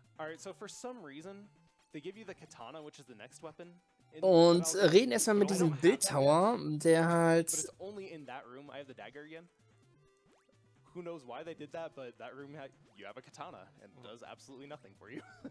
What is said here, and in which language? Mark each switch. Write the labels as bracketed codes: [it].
[en] All right, so for some reason, they give you the katana, which is the next weapon. [de] Und reden erstmal mit diesem Bildhauer, der halt. [en] But it's only in that room I have the dagger again. Who knows why they did that, but that room you have a katana and does absolutely nothing for you.